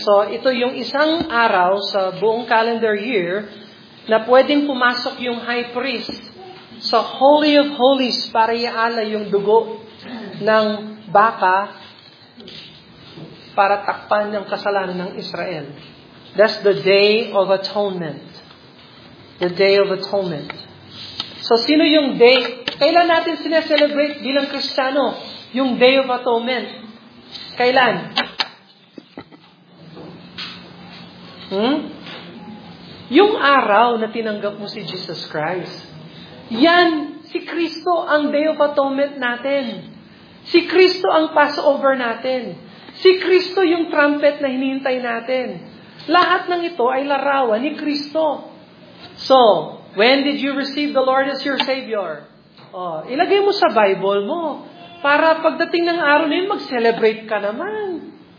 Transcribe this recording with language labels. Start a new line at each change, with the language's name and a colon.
Filipino: So, ito yung isang araw sa buong calendar year na pwedeng pumasok yung high priest sa Holy of Holies para iala yung dugo ng baka para takpan ng kasalanan ng Israel.
English: That's the Day of Atonement. The Day of Atonement. So,
Filipino: sino yung day? Kailan natin sineselebrate bilang Kristiyano yung Day of Atonement? Kailan? Yung araw na tinanggap mo si Jesus Christ. Yan, si Kristo ang Day of Atonement natin. Si Kristo ang Passover natin. Si Kristo yung trumpet na hinihintay natin. Lahat ng ito ay larawan ni Kristo.
English: So, when did you receive the Lord as your Savior?
Filipino: Oh, ilagay mo sa Bible mo para pagdating ng araw na yun, mag-celebrate ka naman.